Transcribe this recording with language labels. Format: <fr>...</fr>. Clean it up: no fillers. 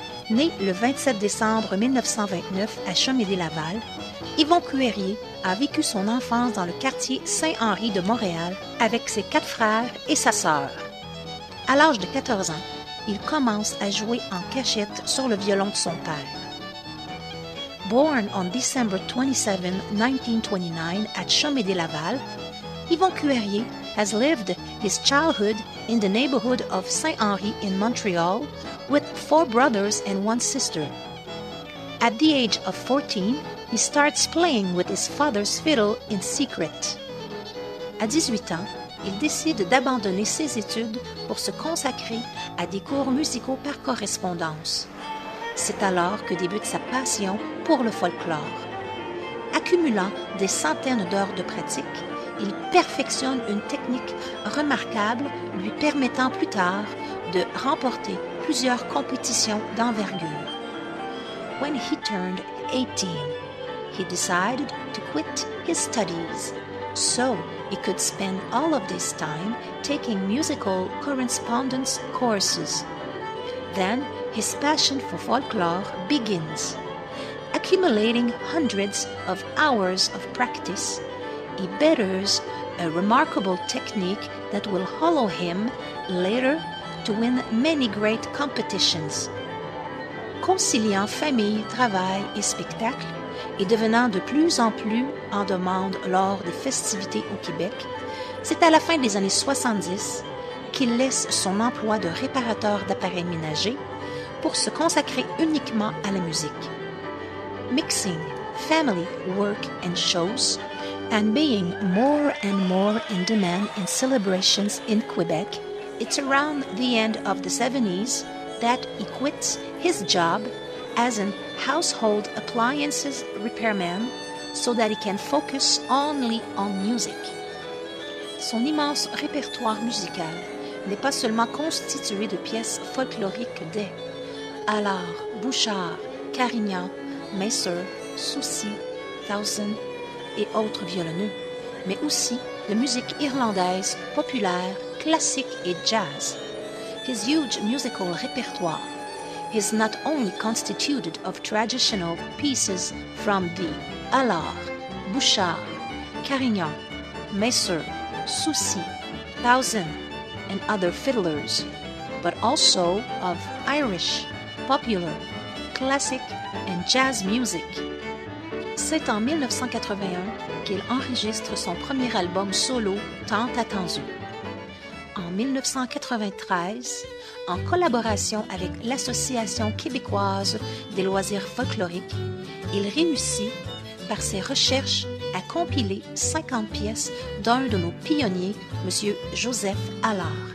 <fr>Né le 27 décembre 1929 à Chemédé-Laval, Yvon Cuillerier a vécu son enfance dans le quartier Saint-Henri de Montréal avec ses quatre frères et sa sœur. À l'âge de 14 ans, il commence à jouer en cachette sur le violon de son père.</fr> <en>Born on December 27, 1929 at Chemédé-Laval, Yvon Cuillerier has lived his childhood in the neighborhood of Saint-Henri in Montreal with four brothers and one sister. At the age of 14, he starts playing with his father's fiddle in secret.</en> <fr>À 18 ans, il décide d'abandonner ses études pour se consacrer à des cours musicaux par correspondance. C'est alors que débute sa passion pour le folklore. Accumulant des centaines d'heures de pratique, il perfectionne une technique remarquable lui permettant plus tard de remporter plusieurs compétitions d'envergure.</fr> <en>When he turned 18, he decided to quit his studies so he could spend all of this time taking musical correspondence courses. Then his passion for folklore begins. Accumulating hundreds of hours of practice, he betters a remarkable technique that will hollow him later to win many great competitions.</en> <fr>Conciliant famille, travail et spectacle, et devenant de plus en plus en demande lors des festivités au Québec, c'est à la fin des années 70 qu'il laisse son emploi de réparateur d'appareils ménagers pour se consacrer uniquement à la musique.</fr> <en>Mixing family, work and shows, and being more and more in demand in celebrations in Quebec, it's around the end of the 70s that he quits his job as an household appliances repairman so that he can focus only on music.</en> <fr>Son immense répertoire musical n'est pas seulement constitué de pièces folkloriques des Alors, Bouchard, Carignan, Messer, Soucy, Thousand et autres violoneux, mais aussi de musique irlandaise, populaire, classique et jazz.</fr> <en>His huge musical repertoire is not only constituted of traditional pieces from the Alors, Bouchard, Carignan, Messer, Soucy, Thousand and other fiddlers, but also of Irish, popular, classic and jazz music.</en> <fr>C'est en 1981 qu'il enregistre son premier album solo tant attendu. En 1993, en collaboration avec l'Association québécoise des loisirs folkloriques, il réussit, par ses recherches, à compiler 50 pièces d'un de nos pionniers, M. Joseph Allard.</fr>